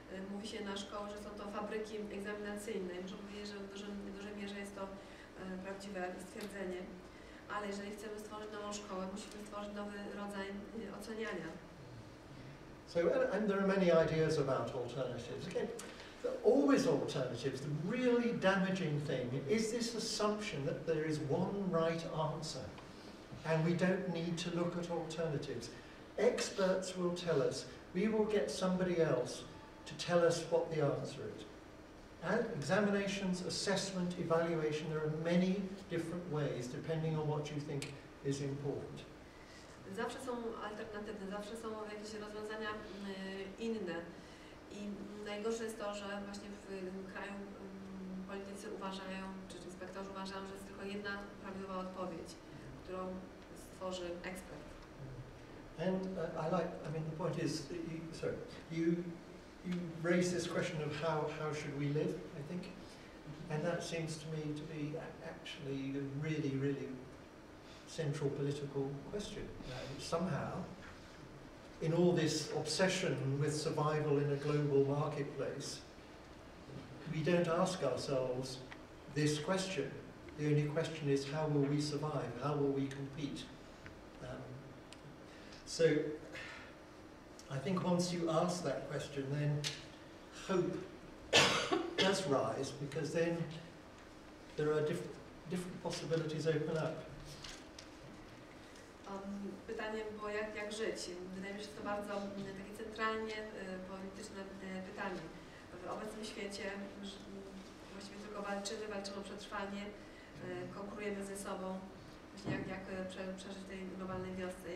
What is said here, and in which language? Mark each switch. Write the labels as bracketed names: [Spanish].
[Polish] Mówi się na szkołach, że są to fabryki egzaminacyjne. Muszę powiedzieć, że w dużej mierze jest to prawdziwe stwierdzenie. Ale jeżeli chcemy stworzyć nową szkołę, musimy stworzyć nowy rodzaj oceniania. [English] So, and there are many ideas about alternatives. Okay. There are always alternatives. The really damaging thing is this assumption that there is one right answer and we don't need to look at alternatives. Experts will tell us, we will get somebody else to tell us what the answer is. And examinations, assessment, evaluation, there are many different ways depending on what you think is important. Zawsze są alternatywne, zawsze są jakieś rozwiązania inne. I najgorsze jest to, że właśnie w kraju politycy uważają, czy inspektorzy uważają, że jest tylko jedna prawidłowa odpowiedź, którą stworzy ekspert. And the point is, you raise this question of how should we live, I think. And that seems to me to be actually a really, really central political question. Somehow, in all this obsession with survival in a global marketplace, we don't ask ourselves this question. The only question is how will we survive? How will we compete? So, I think once you ask that question, then hope does rise, because then there are different possibilities open up. [Polish] Pytanie było, jak żyć? Wydaje mi się, że to bardzo takie centralnie polityczne pytanie. W obecnym świecie właściwie tylko walczymy o przetrwanie, konkurujemy ze sobą, właśnie jak przeżyć tej globalnej wiosce.